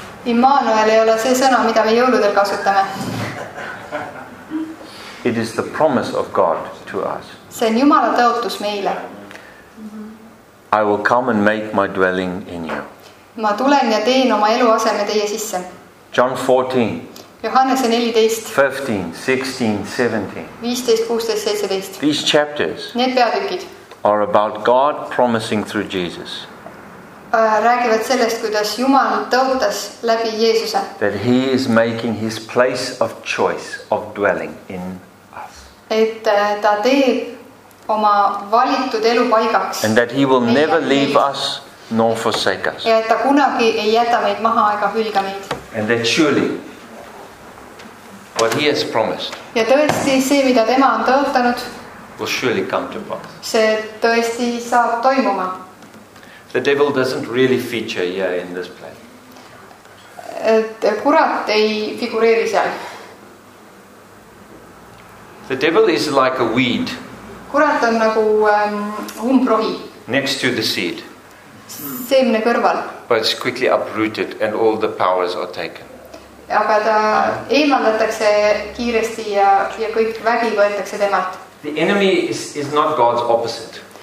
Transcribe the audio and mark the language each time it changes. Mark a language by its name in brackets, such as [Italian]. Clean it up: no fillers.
[Estonian] Immanuel ei ole see sõna, mida me jõuludel kasutame. [English] It is the promise of God to us. [Estonian] See on Jumala tõotus meile. [English] I will come and make my dwelling in you. [Estonian] Ma tulen ja teen oma eluaseme teie sisse. [English] John 14. [Estonian] Johannese 14. [English] 15, 16, 17. [Estonian] 15, 16, 17. [English] These chapters. [Estonian] Need peatükid. [English] Are about God promising through Jesus. [Estonian] Räägivad sellest, kuidas Jumal tõotas läbi Jeesuse. [English] That he is making his place of choice of dwelling in us. [Estonian] Et ta teeb oma valitud elupaigaks. [English] And that he will never leave us nor forsake us. [Estonian] Ja et ta kunagi ei jäta meid maha ega hülga meid. [English] And that surely what he has promised. [Estonian] Ja tõesti see, mida tema on tõotanud. [English] Will surely come to pass. [Estonian] See tõesti saab toimuma. [English] The devil doesn't really feature here in this play. [Estonian] Et kurat ei figureeri seal. [English] The devil is like a weed. [Estonian] Kurat on nagu umbrohi. [English] Next to the seed. [Estonian] Seemne kõrval. [English] But it's quickly uprooted and all the powers are taken. [Estonian] Aga ta eemaldatakse kiiresti ja kõik vägi võetakse temalt. [English] The enemy is not God's opposite.